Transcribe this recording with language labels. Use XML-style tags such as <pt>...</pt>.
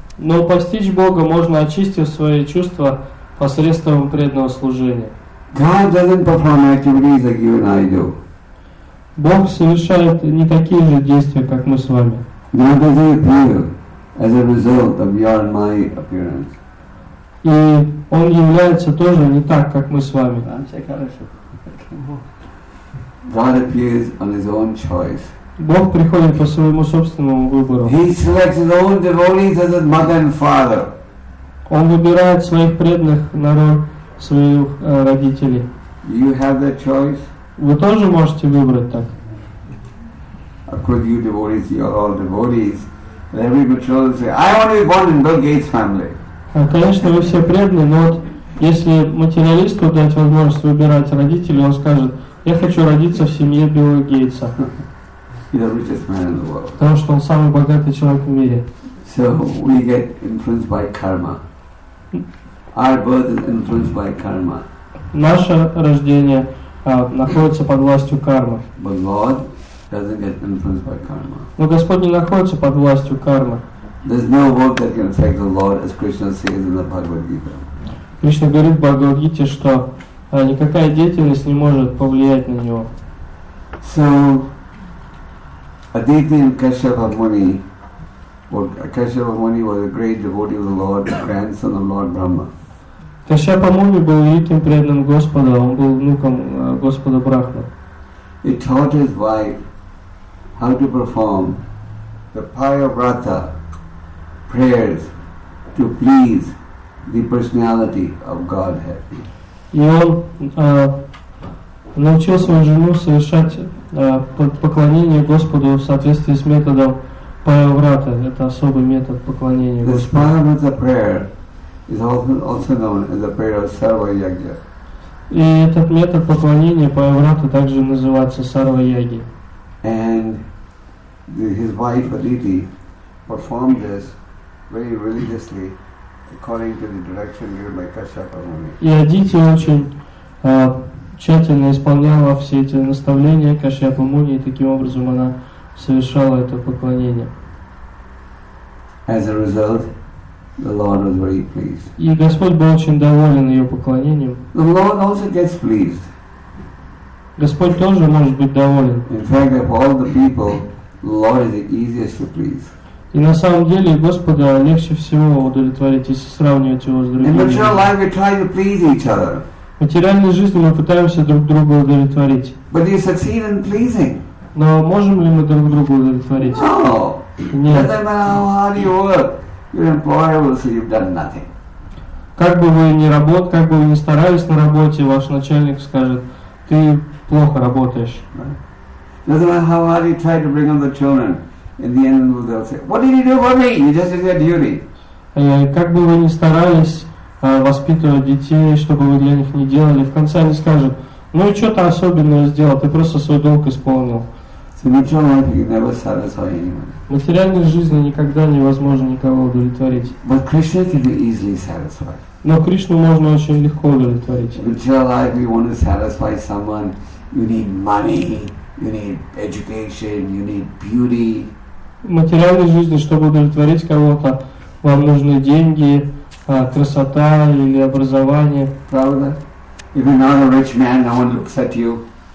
<ru>Но постичь Бога можно, очистив свои чувства посредством преданного служения.</ru> <en>God doesn't perform activities like you and I do.</en> <ru>Бог совершает не такие же действия, как мы с вами.</ru> <en>As a result of your and my appearance.</en> <ru>И он является тоже не так, как мы с вами.</ru> <en>God appears on his own choice.</en> <ru>Бог приходит по своему собственному выбору.</ru> <en>He selects his own devotees as his mother and father.</en> <ru>Он выбирает своих преданных на роль своих родителей.</ru> <en>You have that choice.</en> <ru>Вы тоже можете выбрать так.</ru> <en>Of course, you devotees, you are all devotees. Every betrothal say, I want to be born in Bill Gates' family.</en> <ru>Конечно, вы все преданы, но вот если материалисту дать возможность выбирать родителей, он скажет, я хочу родиться в семье Билла Гейтса.</ru> <en>He's the richest man in the world.</en> <ru>Потому что он самый богатый человек в мире.</ru> <en>So we get influenced by karma. Our birth is influenced by karma.</en> <ru>Наше рождение находится под властью кармы.</ru> <en>But Lord doesn't get influenced by karma.</en> <ru>Но Господь не находится под властью кармы.</ru> <en>There's no work that can affect the Lord, as Krishna says in the Bhagavad Gita.</en> <ru>Кришна говорит в Бхагавад Гите, что никакая деятельность не может повлиять на него.</ru> <en>So Aditi and Kashyapa Muni, Kashyapa Muni was a great devotee of the Lord, grandson of Lord Brahma.</en> <ru>Kashyapa Muni был великим преданным Господа, он был внуком Господа Брахмы.</ru> <en>He taught his wife how to perform the Payavrata prayers to please the personality of Godhead.</en> <ru>И он научил свою жену совершать поклонение Господу в соответствии с методом Паяврата. Это особый метод поклонения</ru> <en>This</en> <ru>Господу.</ru> <en>This Paravrata prayer is also known as the prayer of Sarva Yajna.</en> <ru>И этот метод поклонения Паяврата также называется Сарва Яги.</ru> <en>And his wife Aditi performed this very religiously according to the direction given by Kashyapa Muni.</en> <ru>И Адити очень тщательно исполняла все эти наставления Кашьяпа Муни, и таким образом она совершала это поклонение.</ru> <en>As a result, the Lord was very pleased.</en> <ru>И Господь был очень доволен ее поклонением.</ru> <en>The Lord also gets pleased.</en> <ru>Господь тоже может быть доволен.</ru> <en>In fact, of all the people, the Lord is the easiest to please.</en> <ru>И на самом деле Господа легче всего удовлетворить, если сравнивать его с другими.</ru> <en>In material life, we try to please each other.</en> <ru>В материальной жизни мы пытаемся друг друга удовлетворить.</ru> <en>But you succeed in pleasing.</en> <ru>Но можем ли мы друг друга удовлетворить?</ru> <en>No.</en> <ru>Нет.</ru> <en>Doesn't matter how hard you work, your employer will say you've done nothing.</en> <ru>Как бы вы ни работали, как бы вы ни старались на работе, ваш начальник скажет, ты плохо работаешь.</ru> <en>Doesn't matter how hard you try to bring up the children. In the end, they'll say, "What did you do for me? You just did your duty."</en> <ru>Как бы вы ни старались воспитывать детей, чтобы вы для них не делали, в конце они скажут: "Ну и что ты особенное сделал? Ты просто свой долг исполнил."</ru> <en>So material life you never satisfy anyone.</en> <ru>В материальной жизни никогда невозможно никого удовлетворить.</ru> <en>But Krishna can be easily satisfied.</en> <ru>Но Кришну можно очень легко удовлетворить.</ru> <en>Material life, you want to satisfy someone, you need money. You need education, you need beauty.</en> <ru>В материальной жизни, чтобы удовлетворить кого-то, вам нужны деньги, красота или образование. Правда?</ru> <en>If you're not a rich man, no one looks at you.</en>